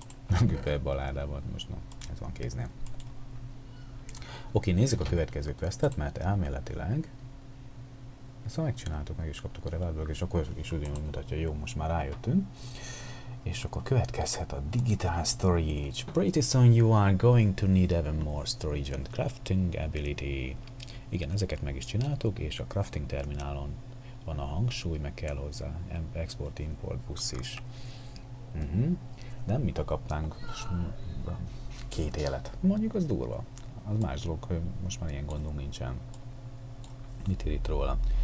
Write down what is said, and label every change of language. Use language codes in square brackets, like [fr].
[hu] Megüppel baládában most, na, ez van kéznél. Oké, nézzük a következő questet, mert elméletileg Szóval megcsináltuk, meg is kaptuk a Revelből, és akkor is úgy mutatja, hogy jó, most már rájöttünk. És akkor következhet a Digital Storage. [en] Pretty soon you are going to need even more storage and crafting ability. [hu] Igen, ezeket meg is csináltuk, és a crafting terminálon van a hangsúly, meg kell hozzá export-import busz is. Nem mit a kaptánk? Két élet. Mondjuk az durva. Az más dolog, hogy most már ilyen gondunk nincsen. Mit ír itt róla?